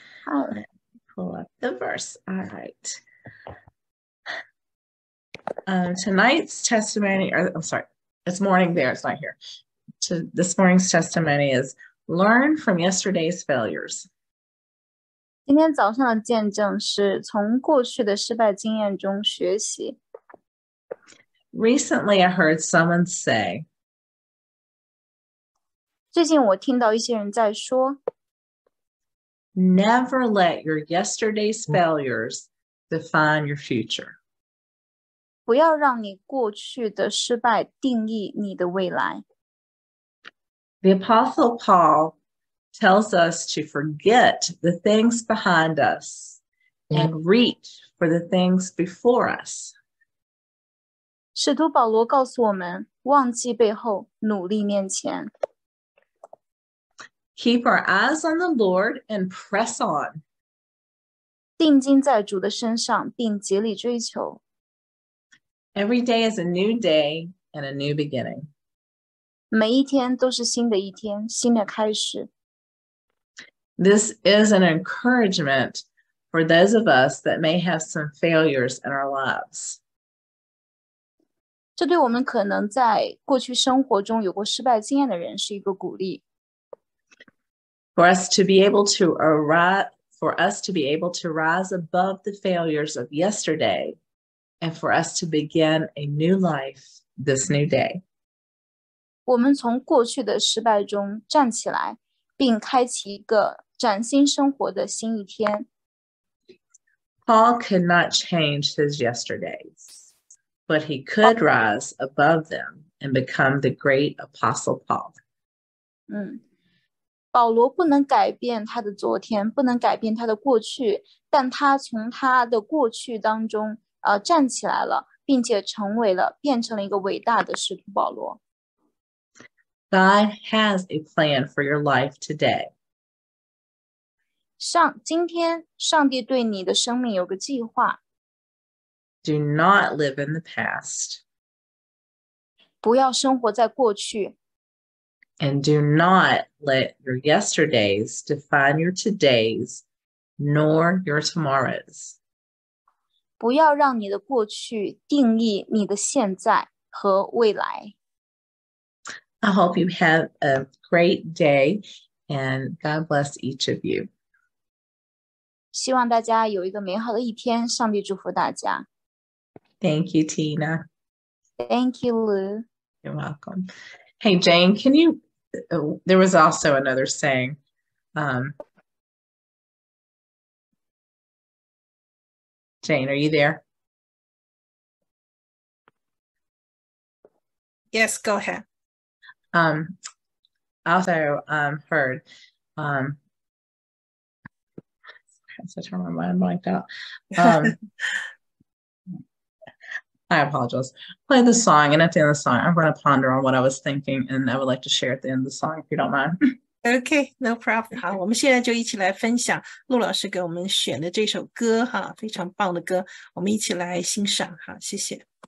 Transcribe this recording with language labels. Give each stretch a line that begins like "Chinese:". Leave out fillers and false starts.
English: All right, pull up the verse. All right. Tonight's testimony, or I'm sorry, it's morning there, it's not here. This morning's testimony is learn from yesterday's failures.
Chinese: 今天早上的见证是从过去的失败经验中学习。
English: Recently, I heard someone say,
Chinese: 最近我听到一些人在说,
English: Never let your yesterday's failures define your future.
Chinese: 不要让你过去的失败定义你的未来。
English: The Apostle Paul tells us to forget the things behind us and reach for the things before us.
Chinese: 使徒保罗告诉我们，忘记背后，努力面前。
English: Keep our eyes on the Lord and press on.
Chinese: 定睛在主的身上，并竭力追求。
English: Every day is a new day and a new beginning.
Chinese: 每一天都是新的一天，新的开始。
English: This is an encouragement for those of us that may have some failures in our lives.
Chinese: 这对我们可能在过去生活中有过失败经验的人是一个鼓励。
English: For us to be able to rise above the failures of yesterday and for us to begin a new life this new day.
Chinese: 我们从过去的失败中站起来并开启一个崭新生活的新一天。
English: Paul could not change his yesterdays, but he could rise above them and become the great Apostle Paul.
Chinese: 保罗不能改变他的昨天，不能改变他的过去，但他从他的过去当中站起来了，并且变成了一个伟大的使徒保罗。
English: God has a plan for your life today.
Chinese: 今天上帝对你的生命有个计划。
English: Do not live in the past.
Chinese: 不要生活在过去。
English: And do not let your yesterdays define your todays, nor your tomorrows.
Chinese: 不要让你的过去定义你的现在和未来。
English: I hope you have a great day and God bless each of you.
Chinese: 希望大家有一个美好的一天，上帝祝福大家。
English: Thank you, Tina. Thank you, Lou. You're welcome. Hey, Jane, can you, there was also another saying. Jane, are you there? Yes, go ahead. Heard, I apologize. Play the song, and at the end of the song, I'm going to ponder on what I was thinking, and I would like to share at the end of the song, if you don't mind. Okay, no problem.
Chinese: 好，我们现在就一起来分享陆老师给我们选的这首歌，哈，非常棒的歌，我们一起来欣赏，好，谢谢。